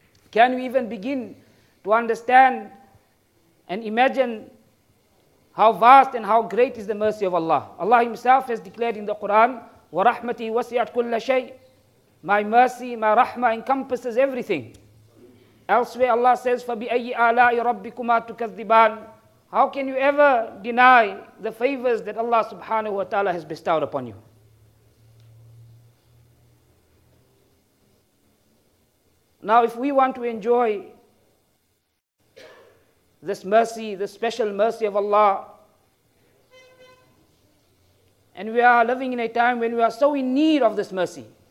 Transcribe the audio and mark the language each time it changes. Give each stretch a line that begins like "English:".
English: Can you even begin to understand and imagine how vast and how great is the mercy of Allah? Allah Himself has declared in the Quran,
Arabic: وَرَحْمَتِي وَسِعَتْ كُلَّ شَيْءٍ.
English: My mercy, my rahmah encompasses everything. Elsewhere Allah says,
Arabic: فَبِأَيِّ آلَاءِ رَبِّكُمَا تُكَذِّبَانِ.
English: How can you ever deny the favors that Allah subhanahu wa ta'ala has bestowed upon you? Now if we want to enjoy this mercy, this special mercy of Allah, and we are living in a time when we are so in need of this mercy.